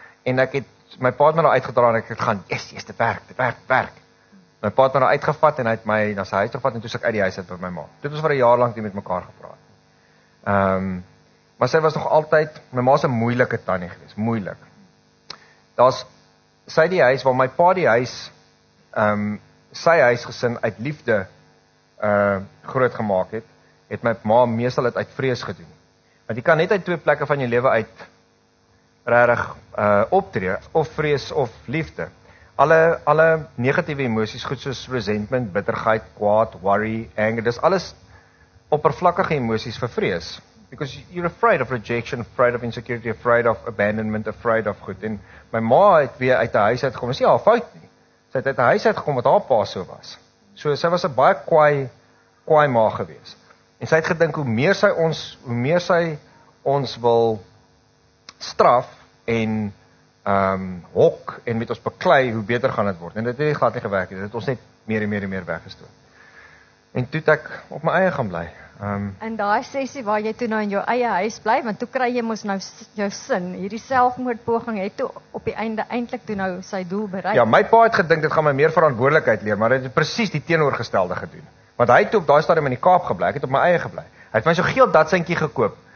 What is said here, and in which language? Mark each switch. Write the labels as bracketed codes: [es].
[af] En ek het my pa het my nou uitgedra en ek het gaan, yes, dit werk. My pa het my nou uitgevat en hy het my na sy huis gevat en toe suk uit die huis uit by my ma. Dit was vir 'n jaar lank nie met mekaar gepraat nie. Maar sy was nog altyd my ma se moeilike tannie geweest, moeilik. Daar's sy die huis waar my pa die huis sy huisgesin uit liefde groot gemaak het, het my ma meestal uit vrees gedoen. Want jy kan net uit twee plekke van jou lewe uit regtig optree of vrees of liefde. Alle negatiewe emosies, goed soos resentment, bitterheid, kwaad, worry, anger, dis alles oppervlakkige emosies vir vrees. [en] Because you're afraid of rejection, afraid of insecurity, afraid of abandonment, afraid of goed. [af] En my ma het weer uit die huis uit gekom. Dis nie haar fout nie. Sy het uit die huis uit gekom wat haar pa so was. So sy was 'n baie kwaai ma gewees. En sy het gedink hoe meer sy ons wil straf en hok en met ons beklei hoe beter gaan dit word. En dit het nie glad nie gewerk nie. Dit het ons net meer en meer weggestoot. En toe ek op my eie gaan bly. In daai sessie waar jy toe nou in jou eie huis bly, want toe kry jy mos nou jou sin. Hierdie selfmoordpoging het toe op die einde eintlik toe nou sy doel bereik. Ja, my pa het gedink dit gaan my meer verantwoordelikheid leer, maar dit het presies die teenoorgestelde gedoen. Want hy het toe op daai stadium in die Kaap gebly. Ek het op my eie gebly. Hy het my so geel datsentjie gekoop.